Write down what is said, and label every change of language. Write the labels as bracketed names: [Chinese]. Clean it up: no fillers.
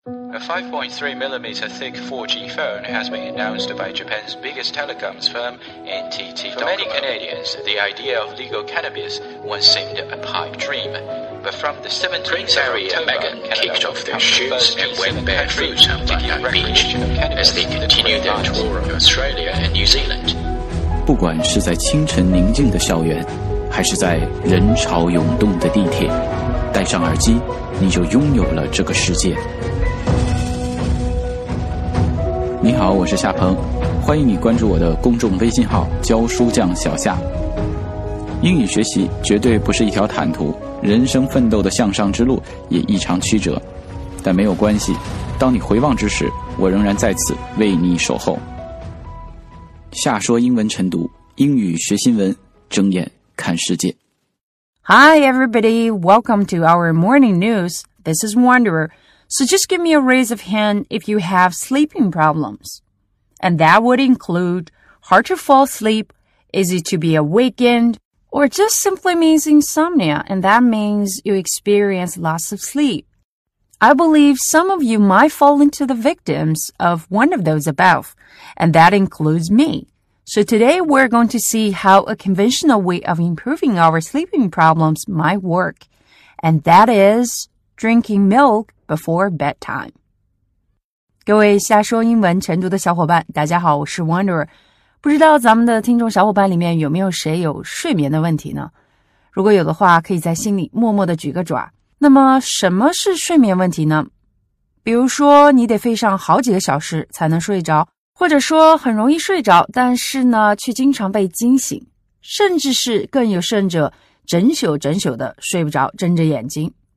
[English] A 5.3 millimeter thick 4G phone has been announced by Japan's biggest telecoms firm, NTT Docomo. For many Canadians, the idea of legal cannabis once seemed a pipe dream. But from the 17th of October, Meghan kicked off their shoes and went barefoot on Bondi Beach as they continued their tour of Australia and New Zealand. [Chinese] 不管是在清晨宁静的校园，还是在人潮涌动的地铁，戴上耳机，你就拥有了这个世界。你好，我是夏鹏，欢迎你关注我的公众微信号教书匠小夏。英语学习绝对不是一条坦途，人生奋斗的向上之路也异常曲折，但没有关系，当你回望之时，我仍然在此为你守候。夏说英文晨读，英语学新闻，睁眼看世界。 [English] Hi everybody, welcome to our morning news. This is Wanderer. So just give me a raise of hand if you have sleeping problems. And that would include hard to fall asleep, easy to be awakened, or just simply means insomnia, and that means you experience loss of sleep. I believe some of you might fall into the victims of one of those above, and that includes me. So today we're going to see how a conventional way of improving our sleeping problems might work, and that is drinking milk,Before bedtime. [Chinese] 各位瞎说英文晨读的小伙伴，大家好，我是 Wanderer。不知道咱们的听众小伙伴里面有没有谁有睡眠的问题呢？如果有的话，可以在心里默默地举个爪。那么什么是睡眠问题呢？比如说你得费上好几个小时才能睡着，或者说很容易睡着，但是呢却经常被惊醒，甚至是更有甚者，整宿整宿的睡不着，睁着眼睛。